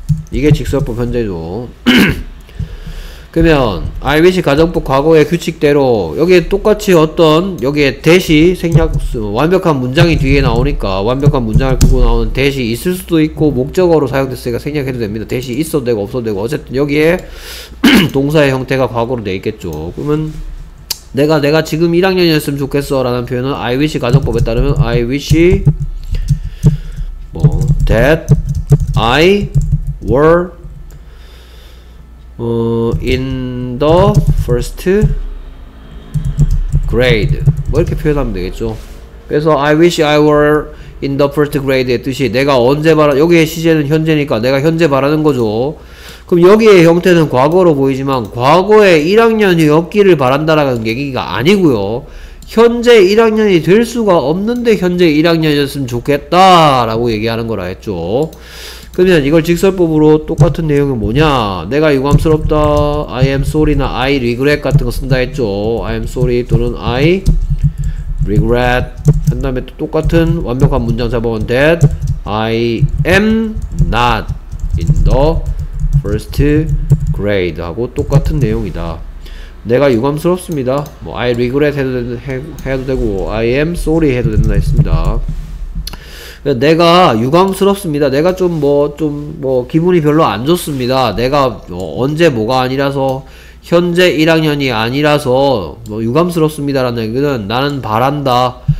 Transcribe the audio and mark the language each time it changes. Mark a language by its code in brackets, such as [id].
[ko] 이게 직설법 현재죠. 그러면 I wish 가정법 과거의 규칙대로 여기에 똑같이 어떤 여기에 대시 생략수 완벽한 문장이 뒤에 나오니까 완벽한 문장을 끄고 나오는 대시 있을 수도 있고 목적어로 사용됐으니까 생략해도 됩니다. 대시 있어도 되고 없어도 되고 어쨌든 여기에 동사의 형태가 과거로 되어 있겠죠. 그러면 내가 지금 1학년이었으면 좋겠어 라는 표현은 [en] I wish [ko] 가정법에 따르면 [en] I wish 뭐 that I were in the first grade. [ko] 뭐 이렇게 표현하면 되겠죠. 그래서 [en] I wish I were in the first grade [ko] 의 뜻이 내가 언제 바라는, 여기에 시제는 현재니까 내가 현재 바라는 거죠. 그럼 여기에 형태는 과거로 보이지만 과거에 1학년이었기를 바란다라는 얘기가 아니고요. 현재 1학년이 될 수가 없는데 현재 1학년이었으면 좋겠다 라고 얘기하는 거라 했죠. 그러면 이걸 직설법으로 똑같은 내용이 뭐냐, 내가 유감스럽다, [en] I am sorry [ko] 나 [en] I regret [ko] 같은 거 쓴다 했죠. [en] I am sorry 또는 I regret [ko] 한 다음에 또 똑같은 완벽한 문장 잡아본 [en] that I am not in the first grade [ko] 하고 똑같은 내용이다. 내가 유감스럽습니다. 뭐 [en] I regret [ko] 해도 되고 [en] I am sorry [ko] 해도 된다 했습니다. 내가 유감스럽습니다. 내가 좀 기분이 별로 안 좋습니다. 내가 언제 뭐가 아니라서 현재 1학년이 아니라서 뭐 유감스럽습니다라는 얘기는 나는 바란다.